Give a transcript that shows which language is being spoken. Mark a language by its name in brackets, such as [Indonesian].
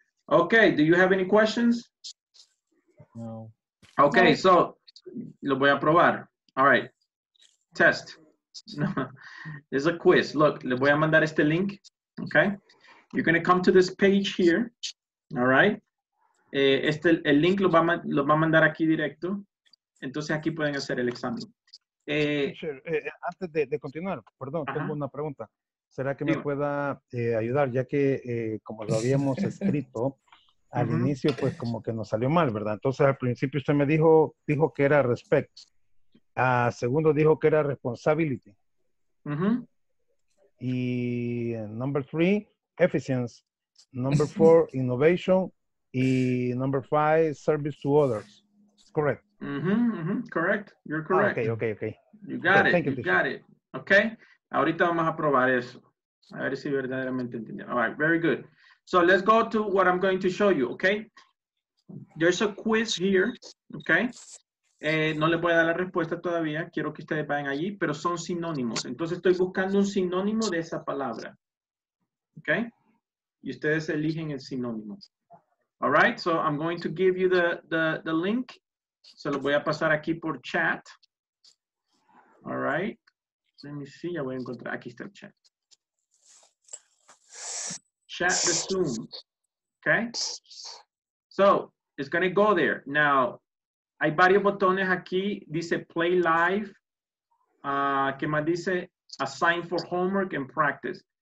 [English] Okay, do you have any questions? No. Okay, no. So, [Spanish] lo voy a probar. [English] All right, test. It's a quiz. [Spanish] Look, le voy a mandar este link, okay? [English] You're gonna come to this page here, all right? [Spanish] Este, el link lo va a mandar aquí directo. Entonces aquí pueden hacer el examen. Antes de continuar, perdón, uh-huh. Tengo una pregunta. ¿Será que me pueda ayudar? Ya que, como lo habíamos escrito, al uh-huh. inicio, pues, como que nos salió mal, ¿verdad? Entonces, al principio usted me dijo que era respect. Segundo, dijo que era responsibility. Uh-huh. [English] Y number three, efficiency. Number four, innovation. [Spanish] Y [English] number five, service to others. Correct. Uh-huh, uh-huh. Correct. You're correct. Okay, okay, okay. You got it. Thank you, teacher. Got it. Okay. [Spanish] Ahorita vamos a probar eso. A ver si verdaderamente entendieron. [English] All right, very good. So let's go to what I'm going to show you, okay? There's a quiz here, okay? [Spanish] No les voy a dar la respuesta todavía. Quiero que ustedes vayan allí, pero son sinónimos. Entonces estoy buscando un sinónimo de esa palabra, okay? Y ustedes eligen el sinónimo. [English] All right, so I'm going to give you the link. [Spanish] Se lo voy a pasar aquí por chat. [English] All right. Let me see, [Spanish] ya voy a encontrar, aquí está el chat. [English] Chat the Zoom, okay? So, it's gonna go there. [Spanish] Now, hay varios botones aquí, dice play live, que más dice [English] assign for homework and practice.